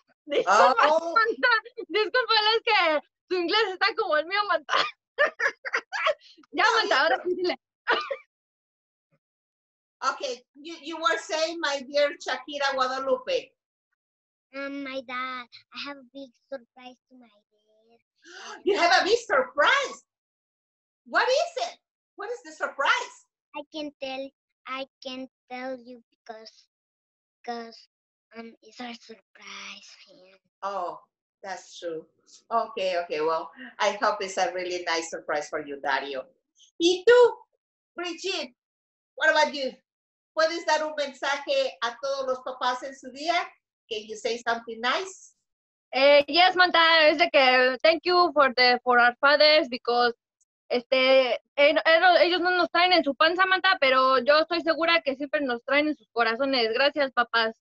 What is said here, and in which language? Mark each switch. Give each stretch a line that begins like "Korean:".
Spanish: Disculpa, es que tu inglés está como el mío, Manta. Ya, Manta, ahora sí dile.
English: Okay, you were saying, my dear Shakira Guadalupe. My dad, I have a big surprise to my dad. You have a big surprise? What is it? What is the surprise? I can tell you because it's our surprise. Oh, that's true. Okay. Well, I hope it's a really nice surprise for you, Dario.
Spanish: Y tú,
English: Bridget, what about you?
Spanish: ¿Puedes dar un mensaje a todos los papás en su día?
English: Can you say something nice?
Spanish: Yes, Manta. Es de que
English: thank you for our fathers because
Spanish: ellos no nos traen en su panza, Manta, pero yo estoy segura que siempre nos traen en sus corazones. Gracias, papás.